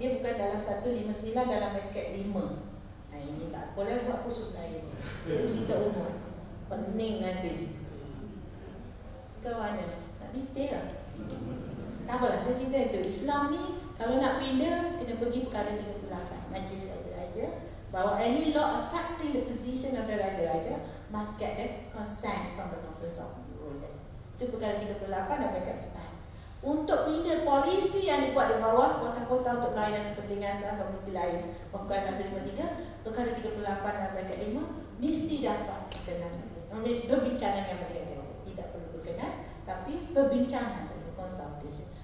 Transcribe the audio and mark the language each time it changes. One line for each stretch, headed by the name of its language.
Malay: Dia bukan dalam 159 dalam bracket 5. Nah, ini tak boleh buat pusuk Melayu. Itu cerita umum. Pening nanti. Kau mana? Nak detail lah. Tak apalah, saya cerita itu. Islam ni, kalau nak pindah, kena pergi perkara 38. Majlis Raja-Raja.
English: Bahawa any law affecting the position of the Raja-Raja must get the consent from the conference of the rulers.
Malay: Itu perkara 38 dan perkara 8. Untuk pindah polisi yang dibuat di bawah kota-kota untuk melayan dan kepentingan selama komuniti lain. Pembukaan 153, perkara 38 dan perkara 5, mesti dapat berkenan. Perbincangan yang mereka ada. Tidak perlu berkenan, tapi perbincangan saja, consultation.